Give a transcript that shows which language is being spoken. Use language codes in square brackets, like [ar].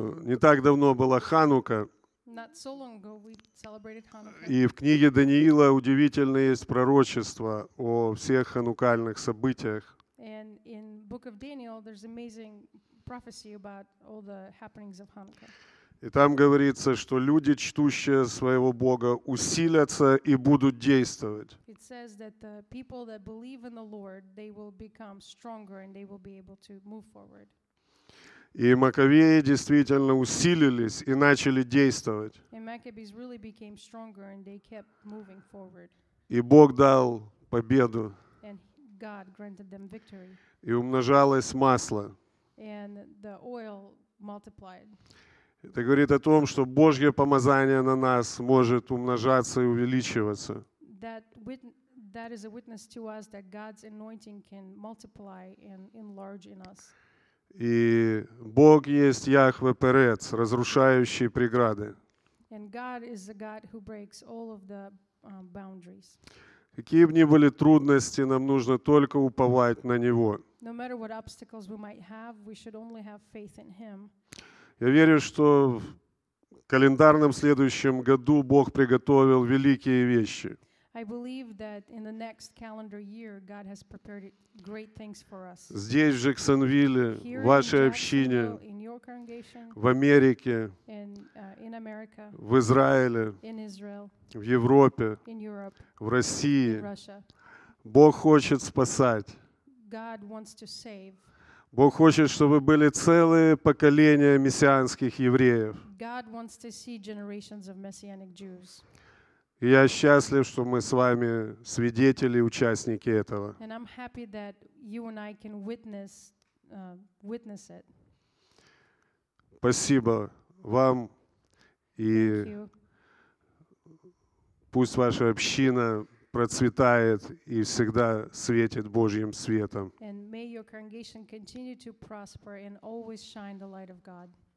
[ru] Не так давно была Ханука. [en] Not so long ago we celebrated Hanukkah. [ru] И в книге Даниила удивительно есть пророчество о всех ханукальных событиях. [en] And in book of Daniel there's amazing prophecy about all the happenings of Hanukkah. [ru] И там говорится, что люди, чтущие своего Бога, усилятся и будут действовать. [en] It says that the people that believe in the Lord, they will become stronger and they will be able to move forward. [ru] И Маккавеи действительно усилились и начали действовать. [en] Really became stronger and they kept moving forward. [ru] И Бог дал победу. [en] And God granted them victory. [ru] И умножалось масло. [en] And the oil multiplied. [ru] Это говорит о том, что Божье помазание на нас может умножаться и увеличиваться. [en] That is a witness to us that God's anointing can multiply and enlarge in us. [ru] И Бог есть Яхве Перец, разрушающий преграды. [en] And God is the God who breaks all of the boundaries. [ru] Какие бы ни были трудности, нам нужно только уповать на Него. [en] No matter what obstacles we might have, we should only have faith in Him. [ru] Я верю, что в календарном следующем году Бог приготовил великие вещи. [en] I believe that in the next calendar year God has prepared great things for us. [ru] Здесь в Джексонвилле, в вашей общине, [en] in your congregation, [ru] в Америке, [en] in America, [ru] в Израиле, [en] in Israel, [ru] в Европе, [en] in Europe, [ru] в России. [en] In Russia. [ru] Бог хочет спасать. [en] God wants to save. [ru] Бог хочет, чтобы были целые поколения мессианских евреев. [en] God wants to see generations of messianic Jews. [ru] И я счастлив, что мы с вами свидетели, участники этого. [en] And I'm happy that you and I can witness it. [ru] Спасибо вам и пусть ваша община процветает и всегда светит Божьим светом. [en] And may your congregation continue to prosper and always shine the light of God.